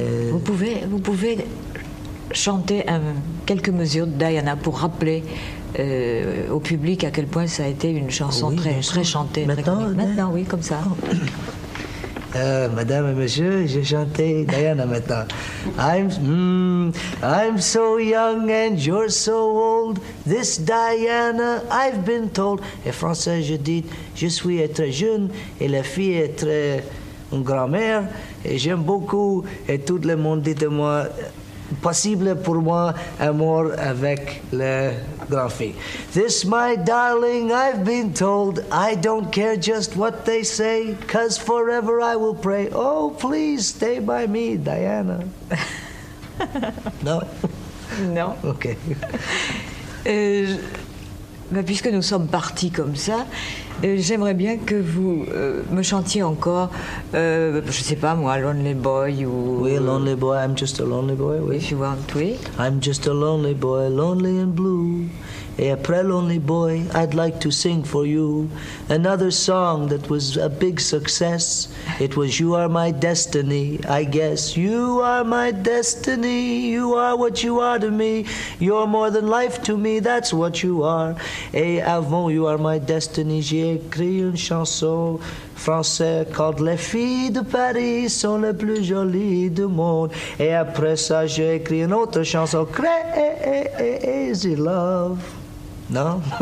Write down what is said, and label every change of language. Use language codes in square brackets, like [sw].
[fr] Vous pouvez chanter quelques mesures de Diana pour rappeler au public à quel point ça a été une chanson très chantée. Maintenant, oui, comme ça. Madame et monsieur, j'ai chanté Diana maintenant. [en] I'm so young and you're so old. This Diana, I've been told. [fr] Et français, je dis, je suis très jeune et la fille est très une grand-mère et j'aime beaucoup et tout le monde dit de moi, possible pour moi amour avec la grand-fille. [en] This my darling, I've been told, I don't care just what they say, 'cause forever I will pray. Oh, please stay by me, Diana. [fr] Non? Non. Ok. Mais puisque nous sommes partis comme ça, j'aimerais bien que vous me chantiez encore, je ne sais pas moi, Lonely Boy ou... [en] Oui, Lonely Boy, I'm just a lonely boy, oui. If you want, oui. I'm just a lonely boy, lonely and blue. [fr] Et après [en] Lonely Boy, I'd like to sing for you another song that was a big success. It was You Are My Destiny, I guess. You are my destiny, you are what you are to me. You're more than life to me, that's what you are. [fr] Et avant You Are My Destiny, j'ai écrit une chanson française called Les filles de Paris sont les plus jolies du monde. Et après ça, j'ai écrit une autre chanson, Crazy Love. Non.